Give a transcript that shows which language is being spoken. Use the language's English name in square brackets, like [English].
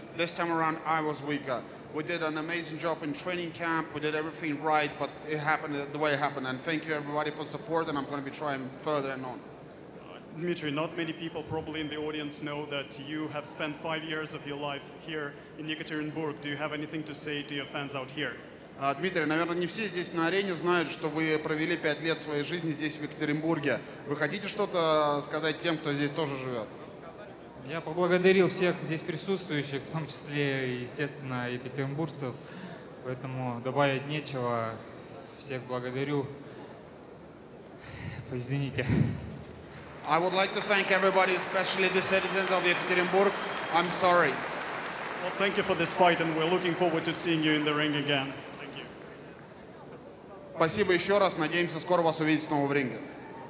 [English] This time around, I was weaker. We did an amazing job in training camp. We did everything right, but it happened the way it happened. And thank you, everybody, for support, and I'm going to be trying further and on. Dmitry, not many people probably in the audience know that you have spent 5 years of your life here in Yekaterinburg. Do you have anything to say to your fans out here? [Russian] Дмитрий, наверное, не все здесь на арене знают, что вы провели 5 лет своей жизни здесь, в Екатеринбурге. Вы хотите что-то сказать тем, кто здесь тоже живет? Я поблагодарил всех здесь присутствующих, в том числе, естественно, екатеринбургцев. Поэтому добавить нечего. Всех благодарю. Извините. [English] I would like to thank everybody, especially the citizens of Екатеринбург. I'm sorry. Well, thank you for this fight, and we're looking forward to seeing you in the ring again. [Russian] Спасибо еще раз. Надеемся скоро вас увидеть снова в ринге.